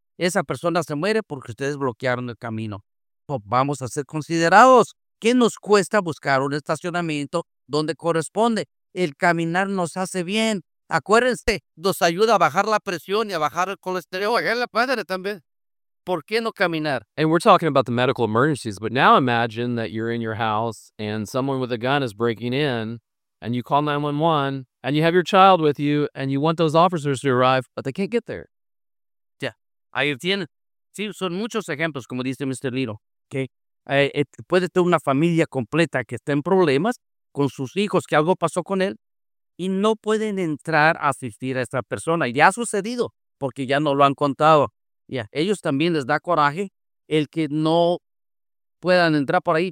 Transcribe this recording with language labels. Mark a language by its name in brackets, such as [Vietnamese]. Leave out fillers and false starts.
[Spanish] Esa persona se muere porque ustedes bloquearon el camino. Pues vamos a ser considerados. ¿Qué nos cuesta buscar un estacionamiento donde corresponde? El caminar nos hace bien. Acuérdense, nos ayuda a bajar la presión y a bajar el colesterol. Y la madre también. ¿Por qué no caminar? [English] And we're talking about the medical emergencies, but now imagine that you're in your house and someone with a gun is breaking in and you call 911 and you have your child with you and you want those officers to arrive, but they can't get there. [Spanish] Ya, ahí tienen. Sí, son muchos ejemplos, como dice Mr. Little, ¿okay? Puede tener una familia completa que está en problemas con sus hijos, que algo pasó con él y no pueden entrar a asistir a esa persona. Ya ha sucedido porque ya no lo han contado. Ya, ellos también les da coraje el que no puedan entrar por ahí.